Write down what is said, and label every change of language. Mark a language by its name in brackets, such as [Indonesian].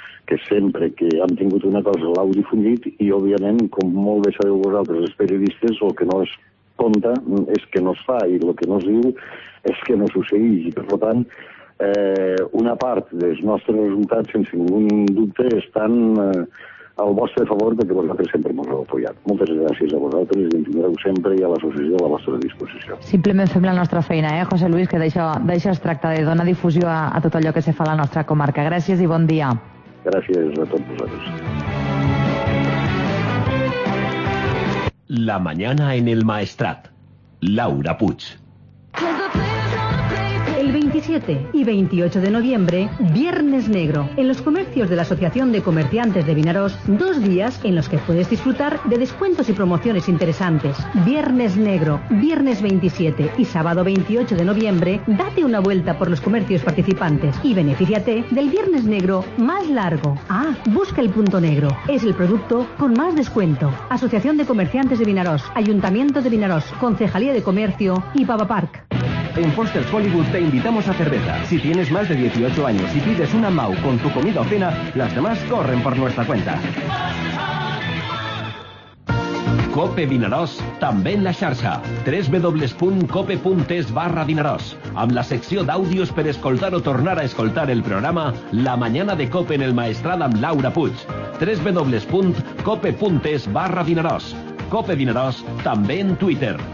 [Catalan] que sempre que hem tingut una cosa l'heu difundit, i òbviament, com molt bé sabeu vosaltres, els periodistes, el que no es compta és que no es fa, i el que no es diu és que no succeeix, i per tant una part dels nostres resultats, sense ningun dubte, estan al vostre favor, perquè vosaltres sempre ens heu apoyat. Moltes gràcies a vosaltres, i ens tindreu sempre i a l'associació a la vostra disposició. Simplement fem la nostra feina, José Luis, que d'això es tracta, de donar difusió a tot allò que se fa a la nostra comarca. Gràcies i bon dia. Gràcies a tots vosaltres. [Spanish] La mañana en el Maestrat. Laura Puig. El 27 y 28 de noviembre, Viernes Negro, en los comercios de la Asociación de Comerciantes de Vinaros, dos días en los que puedes disfrutar de descuentos y promociones interesantes. Viernes Negro, viernes 27 y sábado 28 de noviembre, date una vuelta por los comercios participantes y benefíciate del Viernes Negro más largo. Ah, busca el punto negro, es el producto con más descuento. Asociación de Comerciantes de Vinaros, Ayuntamiento de Vinaros, Concejalía de Comercio y Pava Park. En Foster's Hollywood te invitamos a cerveza. Si tienes más de 18 años y pides una MAU con tu comida o cena, las demás corren por nuestra cuenta. [Catalan] Cope Vinaròs, també en la xarxa. www.cope.es/Vinaròs. Amb la secció d'àudios per escoltar o tornar a escoltar el programa La Mañana de Cope en el Maestrat amb Laura Puig. www.cope.es/Vinaròs. Cope Vinaròs, també en Twitter.